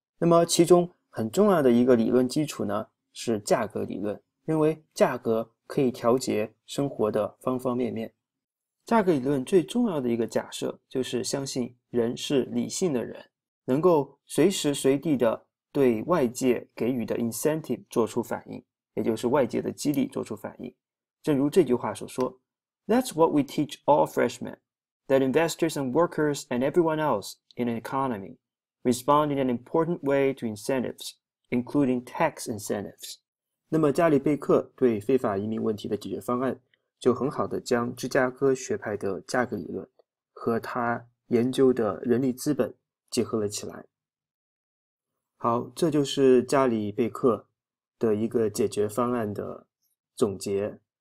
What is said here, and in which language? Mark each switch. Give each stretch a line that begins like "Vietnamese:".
Chinese: 那么，其中很重要的一个理论基础呢，是价格理论，认为价格可以调节生活的方方面面。价格理论最重要的一个假设就是相信人是理性的人，能够随时随地的对外界给予的 incentive 做出反应，也就是外界的激励做出反应。正如这句话所说，
English: That's what we teach all freshmen, that investors and workers and everyone else in an economy respond in an important way to incentives, including tax incentives。
Chinese: 那么，加里贝克对非法移民问题的解决方案，就很好的将芝加哥学派的价格理论和他研究的人力资本结合了起来。好，这就是加里贝克的一个解决方案的总结。